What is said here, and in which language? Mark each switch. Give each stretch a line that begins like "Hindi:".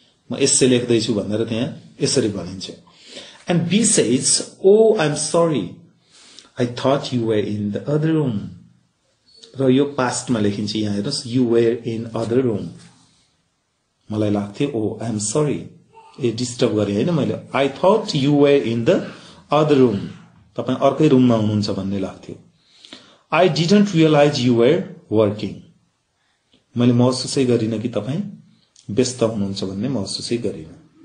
Nepali: म एसे लेख्दैछु भनेर त्यहाँ यसरी भनिन्छ.
English: And B says oh I am sorry I thought you were in the other room.
Nepali: र यो पास्टमा लेखिन्छ, यहाँ हेर्नुहोस्,
English: You were in other room.
Nepali: मलाई लाग्थ्यो
English: oh I am sorry ए
Nepali: disturb गरेँ होइन मैले,
English: I thought you were in the other room,
Nepali: तपाईँ अर्कै रुममा हुनुहुन्छ भन्ने लाग्थ्यो.
English: I didn't realise you were working,
Nepali: मैले महसुसै गरिनँ कि तपाईँ व्यस्त हुनुहुन्छ भन्ने महसुसै गरिनँ.